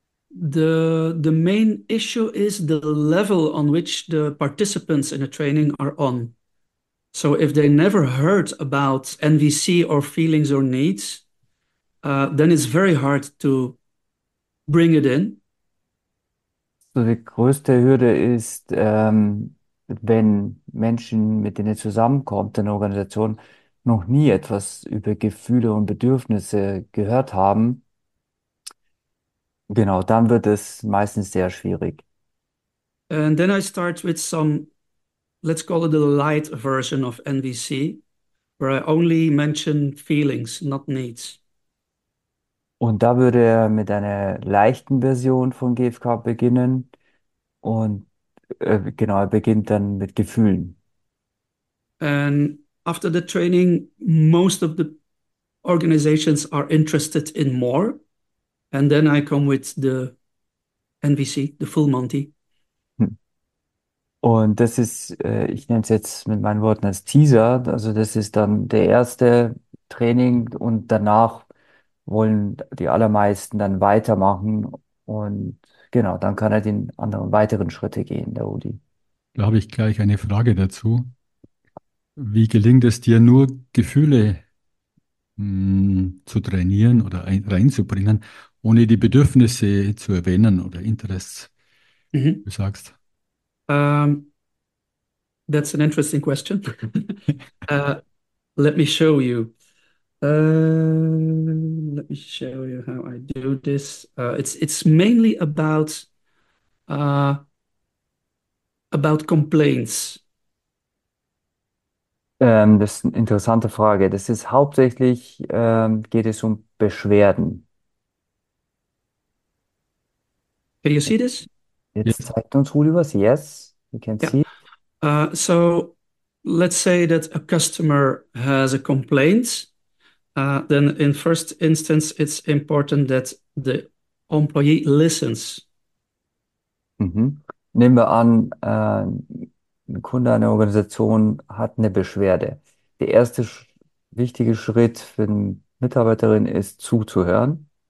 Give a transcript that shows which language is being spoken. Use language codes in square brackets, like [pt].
[en] The main issue is the level on which the participants in a training are on. So if they never heard about NVC or feelings or needs, then it's very hard to bring it in. [de] So die größte Hürde ist, wenn Menschen, mit denen zusammenkommt, in der Organisation noch nie etwas über Gefühle und Bedürfnisse gehört haben, genau, dann wird es meistens sehr schwierig. [en] And then I start with some, let's call it a light version of NVC, where I only mention feelings, not needs. [de] Und da würde er mit einer leichten Version von GFK beginnen. Und genau, er beginnt dann mit Gefühlen. [en] And after the training, most of the organizations are interested in more. And then I come with the NVC, the full Monty. [de] Und das ist, ich nenne es jetzt mit meinen Worten als Teaser. Also das ist dann der erste Training und danach wollen die allermeisten dann weitermachen und genau, dann kann er den anderen weiteren Schritte gehen, der Udi. Da habe ich gleich eine Frage dazu. Wie gelingt es dir, nur Gefühle zu trainieren oder reinzubringen, ohne die Bedürfnisse zu erwähnen oder Interests, du sagst? [en] That's an interesting question. let me show you. Let me show you how I do this. It's mainly about complaints. [de] Das ist eine interessante Frage. Das ist hauptsächlich, geht es um Beschwerden. [en] Can you see this? [de] Jetzt zeigt uns Rudi was. [en] Yes, you can see. So let's say that a customer has a complaint. Then in first instance, it's important that the employee listens. [de] Nehmen wir an, ein Kunde einer Organisation hat eine Beschwerde. Der erste sch wichtige Schritt für die Mitarbeiterin ist zuzuhören.